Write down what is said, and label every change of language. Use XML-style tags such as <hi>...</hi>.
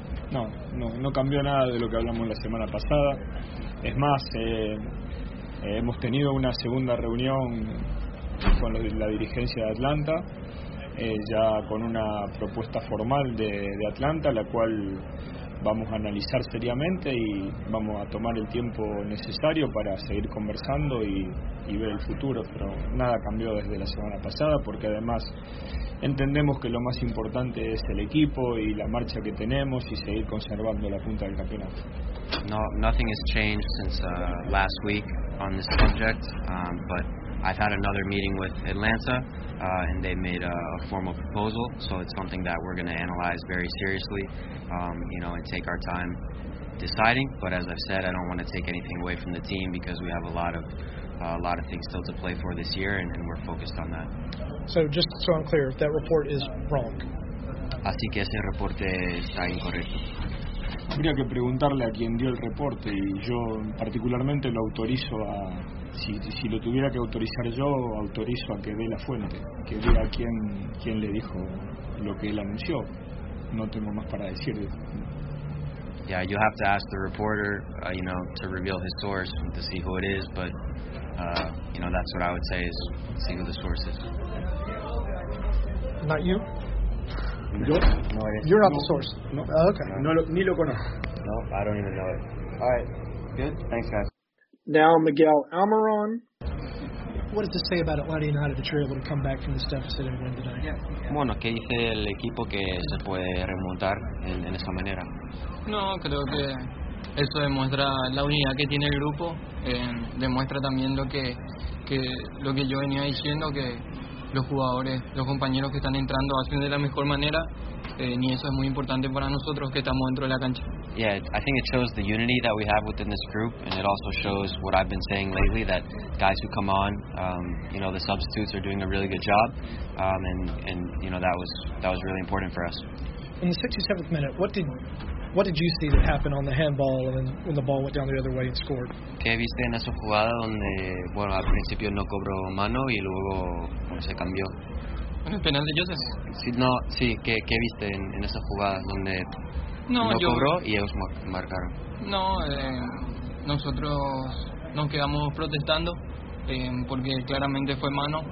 <es>No cambió nada de lo que hablamos la semana pasada. Es más, hemos tenido una segunda reunión con la dirigencia de Atlanta, ya con una propuesta formal de Atlanta, la cual vamos a analizar seriamente y vamos a tomar el tiempo necesario para seguir conversando y ver el futuro. Pero nada cambió desde la semana pasada, porque además entendemos que lo más importante es el equipo y la marcha que tenemos y seguir conservando la punta del campeonato.</es> <en>No, nothing has changed since last week on this subject, but I've had another meeting with Atlanta, and they made a formal proposal, so it's something that we're going to analyze very seriously, and take our time deciding. But as I've said, I don't want to take anything away from the team, because we have a lot of things still to play for this year, and we're focused on that. So just so I'm clear, that report is wrong.</en> <es>Así que ese reporte está incorrecto. Habría que preguntarle a quien dio el reporte, y yo particularmente lo autorizo a... Si lo tuviera que autorizar yo, autorizo a que dé la fuente, que diga quién le dijo lo que él anunció. No tengo más para decir.</es> <en>Yeah, you have to ask the reporter, to reveal his source, to see who it is, but, that's what I would say, is see who the source is. Not you?</en> <es>¿Yo?</es> <en>No, you're not the source.</en> <es>No.</es> <en>Okay.</en> <es>No. Ni lo conozco.</es> <en>No, I don't even know it. All right. Good? Thanks, guys. Now Miguel Almirón. What does this say about Atlanta United that you're able to come back from this deficit and win tonight?</en> <es>Bueno, ¿qué dice el equipo que se puede remontar en esa manera? No, creo que eso demuestra la unidad que tiene el grupo. Demuestra también lo que yo venía diciendo, que los jugadores, los compañeros que están entrando hacen de la mejor manera. Ni eso es muy importante para nosotros que estamos dentro de la cancha. Yeah, I think it shows the unity that we have within this group, and it also shows what I've been saying lately, that guys who come on, the substitutes are doing a really good job, and that was really important for us. In the 67th minute, what did you see that happened on the handball and when the ball went down the other way and scored? ¿Qué viste en esa jugada donde, bueno, al principio no cobró mano y luego se cambió? En el penal de Joseph. Sí, ¿qué viste en esa jugada donde... No cobró y ellos marcaron. No, nosotros nos quedamos protestando porque claramente fue mano.</es>